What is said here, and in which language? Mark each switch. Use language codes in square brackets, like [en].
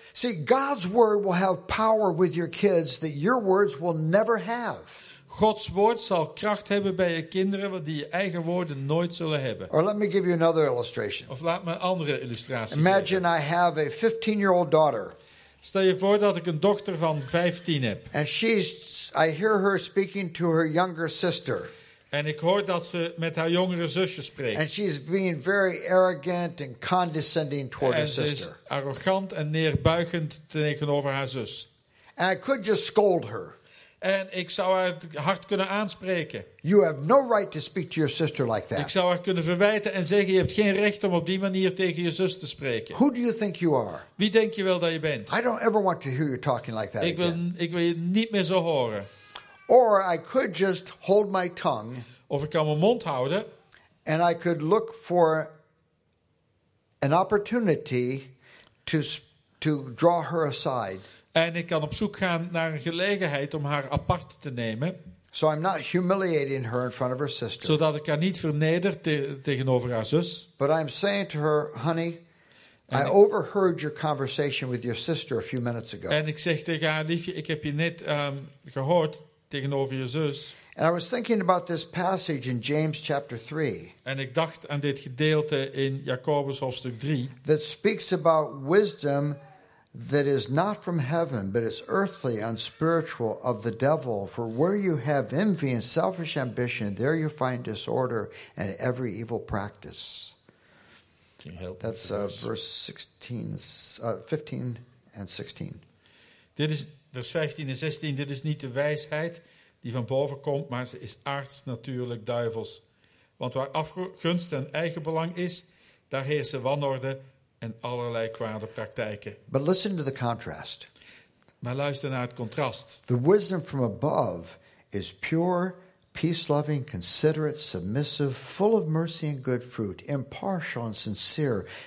[en] See, God's word will have power with your kids that your words will never have. [nl] Gods woord zal kracht hebben bij je kinderen die je eigen woorden nooit zullen hebben. [en] Or let me give you another illustration. [nl] Of laat me een andere illustratie. [en] Imagine [nl] geven. [en] I have a 15-year-old daughter. [nl] Stel je voor dat ik een dochter van 15 heb. [en] And I hear her speaking to her younger sister. [nl] En ik hoor dat ze met haar jongere zusje spreekt. [en] And she's being very arrogant and condescending toward her sister. [nl] En ze is arrogant en neerbuigend tegenover haar zus. [en] And I could just scold her. [nl] En ik zou haar hard kunnen aanspreken. [en] You have no right to speak to your sister like that. [nl] Ik zou haar kunnen verwijten en zeggen, je hebt geen recht om op die manier tegen je zus te spreken. [en] Who do you think you are? [nl] Wie denk je wel dat je bent? [en] I don't ever want to hear you talking like that again. [nl] Ik wil je niet meer zo horen. [en] Or I could just hold my tongue. [nl] Of ik kan mijn mond houden. [en] And I could look for an opportunity to draw her aside. [nl] En ik kan op zoek gaan naar een gelegenheid om haar apart te nemen. [en] So I'm not humiliating her in front of her sister. [nl] Zodat ik haar niet verneder tegenover haar zus. [en] But I'm saying to her, honey, I overheard your conversation with your sister a few minutes ago. [nl] En ik zeg tegen haar, liefje, ik heb je net gehoord tegenover je zus. [en] And I was thinking about this passage in James chapter 3. [nl] En ik dacht aan dit gedeelte in Jacobus hoofdstuk 3. [en] That speaks about wisdom that is not from heaven, but is earthly, unspiritual, of the devil. For where you have envy and selfish ambition, there you find disorder and every evil practice. Can you help? That's verse 15 and 16. [nl] Dit is vers 15 en 16. Dit is niet de wijsheid die van boven komt, maar ze is aards, natuurlijk, duivels. Want waar afgunst en eigenbelang is, daar heersen wanorde en allerlei kwade praktijken. [en] But listen to the contrast. [nl] Maar luister naar het contrast. [en] The wisdom from above is pure, peace-loving, considerate, submissive, full of mercy and good fruit, impartial and sincere.